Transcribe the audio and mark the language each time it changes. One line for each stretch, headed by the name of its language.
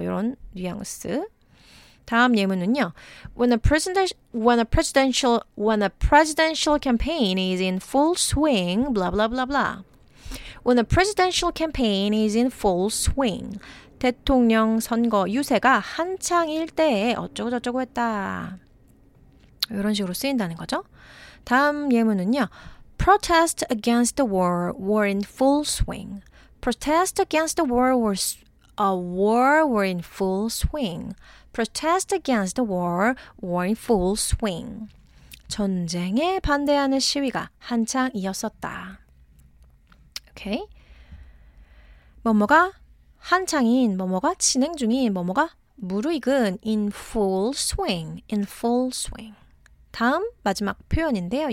Korean: 이런 뉘앙스. 다음 예문은요.
English: When a presidential campaign is in full swing, blah blah blah blah. When a presidential campaign is in full swing,
Korean: 대통령 선거 유세가 한창일 때에 어쩌고 저쩌고 했다. 이런 식으로 쓰인다는 거죠. 다음 예문은요.
English: Protest against the war were in full swing. Protest against the war were a war were in full swing. Protest against the war were in full swing.
Korean: 전쟁에 반대하는 시위가 한창이었었다.
English: Okay.
Korean: 뭐뭐가 한창인, 뭐뭐가 진행 중인, 뭐뭐가 무르익은
English: in full swing, in full swing.
Korean: 다음 마지막 표현인데요.